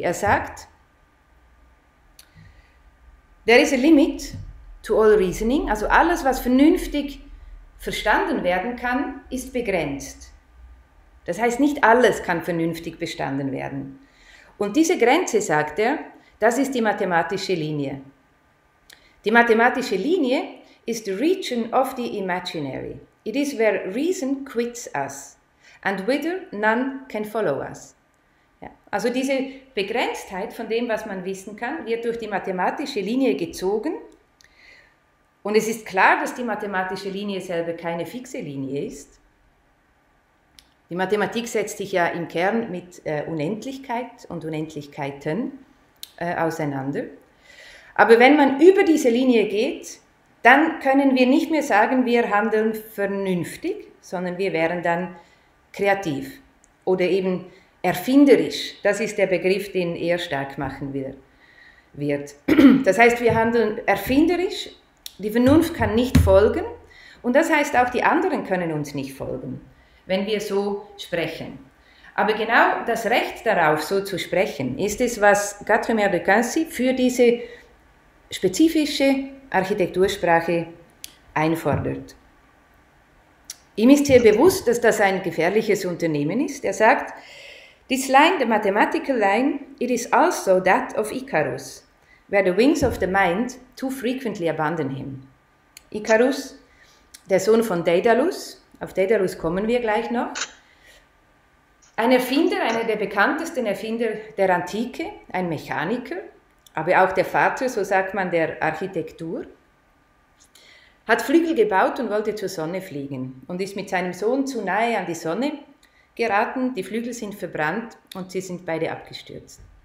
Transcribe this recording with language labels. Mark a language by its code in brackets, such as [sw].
[de] Er sagt, [en] there is a limit to all reasoning, [de] also alles, was vernünftig verstanden werden kann, ist begrenzt. Das heißt, nicht alles kann vernünftig verstanden werden. Und diese Grenze, sagt er, das ist die mathematische Linie. Die mathematische Linie ist [en] the region of the imaginary. It is where reason quits us and whither none can follow us. [de] Ja. Also diese Begrenztheit von dem, was man wissen kann, wird durch die mathematische Linie gezogen. Und es ist klar, dass die mathematische Linie selber keine fixe Linie ist. Die Mathematik setzt sich ja im Kern mit Unendlichkeit und Unendlichkeiten auseinander. Aber wenn man über diese Linie geht, dann können wir nicht mehr sagen, wir handeln vernünftig, sondern wir wären dann kreativ oder eben erfinderisch. Das ist der Begriff, den er stark machen wird. Das heißt, wir handeln erfinderisch. Die Vernunft kann nicht folgen und das heißt, auch die anderen können uns nicht folgen, wenn wir so sprechen. Aber genau das Recht darauf, so zu sprechen, ist es, was Gadamer de Quincy für diese spezifische Architektursprache einfordert. Ihm ist hier bewusst, dass das ein gefährliches Unternehmen ist. Er sagt, [en] this line, the mathematical line, it is also that of Icarus, where the wings of the mind too frequently abandon him. [de] Icarus, der Sohn von Daedalus, auf Daedalus kommen wir gleich noch, ein Erfinder, einer der bekanntesten Erfinder der Antike, ein Mechaniker, aber auch der Vater, so sagt man, der Architektur, hat Flügel gebaut und wollte zur Sonne fliegen und ist mit seinem Sohn zu nahe an die Sonne geraten, die Flügel sind verbrannt und sie sind beide abgestürzt.